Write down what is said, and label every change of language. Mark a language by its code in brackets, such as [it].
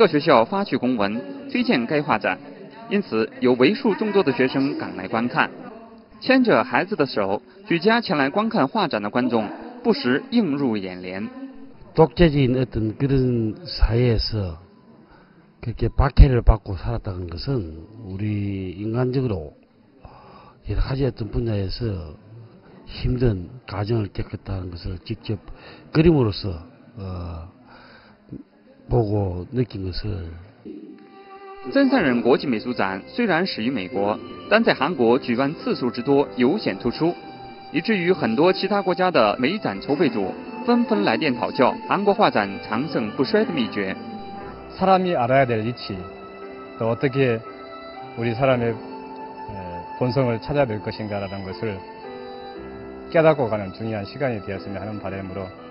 [zh] 同一时间，在韩国南部的美丽海滨城市，著名的旅游休养胜地庆昌南道四川市也举行了曾三人国际美术展。四川文化艺术会馆位于可以一览壮丽海滨风光的高坡之上，观看着高水准的画展，市民们的脸上洋溢着激动的神情。当地的教育界人士为提高本地民众的文化素质，积极促进这一画展的举行，当地教育厅向各学校发去公文，推荐该画展。因此，有为数众多的学生赶来观看，牵着孩子的手，举家前来观看画展的观众不时映入眼帘。 [ko] 독재적인 어떤 그런 사회에서 그렇게 박해를 받고 살았다는 것은 우리 인간적으로 여러 가지 어떤 분야에서 힘든 과정을 겪었다는 것을 직접 그림으로서 보고 느낀 것을. [zh] 曾三人国际美术展虽然始于美国，但在韩国举办次数之多，尤显突出，以至于很多其他国家的美展筹备组纷纷来电讨教韩国画展长盛不衰的秘诀。 [ko] 사람이 알아야 될 위치, 또 어떻게 우리 사람의 본성을 찾아야 될 것인가라는 것을 깨닫고 가는 중요한 시간이 되었으면 하는 바람으로.